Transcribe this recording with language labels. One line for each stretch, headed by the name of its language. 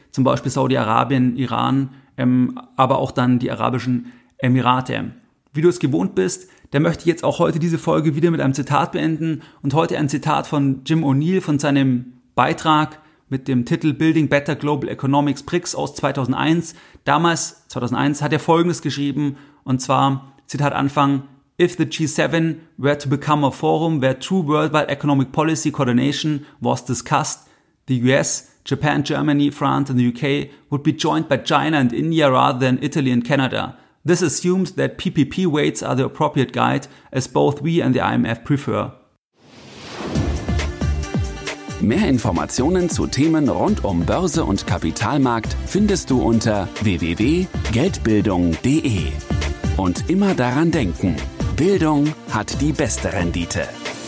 German: Zum Beispiel Saudi-Arabien, Iran, aber auch dann die Arabischen Emirate. Wie du es gewohnt bist, dann möchte ich jetzt auch heute diese Folge wieder mit einem Zitat beenden und heute ein Zitat von Jim O'Neill von seinem Beitrag mit dem Titel Building Better Global Economics BRICS aus 2001. Damals, 2001, hat er Folgendes geschrieben und zwar, Zitat Anfang,
English: If the G7 were to become a forum where true worldwide economic policy coordination was discussed, the US, Japan, Germany, France and the UK would be joined by China and India rather than Italy and Canada. This assumes that PPP weights are the appropriate guide, as both we and the IMF prefer.
German: Mehr Informationen zu Themen rund um Börse und Kapitalmarkt findest du unter www.geldbildung.de. Und immer daran denken, Bildung hat die beste Rendite.